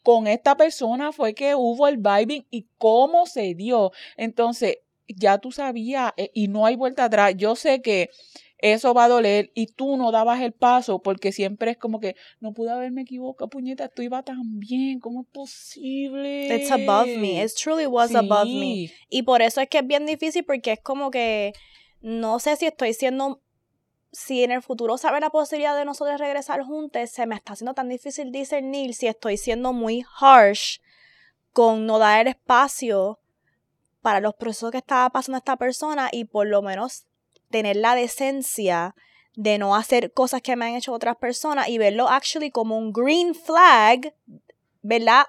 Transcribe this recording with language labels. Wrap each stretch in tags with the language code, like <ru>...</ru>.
<es>Con esta persona fue que hubo el vibing y cómo se dio. Entonces, ya tú sabías y no hay vuelta atrás. Yo sé que eso va a doler y tú no dabas el paso porque siempre es como que no pude haberme equivocado, puñeta, tú ibas tan bien, ¿cómo es posible?</es> <en>It's above me, it truly was above me.</en> <es>Y por eso es que es bien difícil porque es como que no sé si estoy siendo, si en el futuro sabe la posibilidad de nosotros regresar juntos, se me está haciendo tan difícil discernir si estoy siendo muy harsh con no dar el espacio para los procesos que estaba pasando esta persona y por lo menos tener la decencia de no hacer cosas que me han hecho otras personas y verlo actually como un</es> <en>green flag,</en> <es>¿verdad?</es>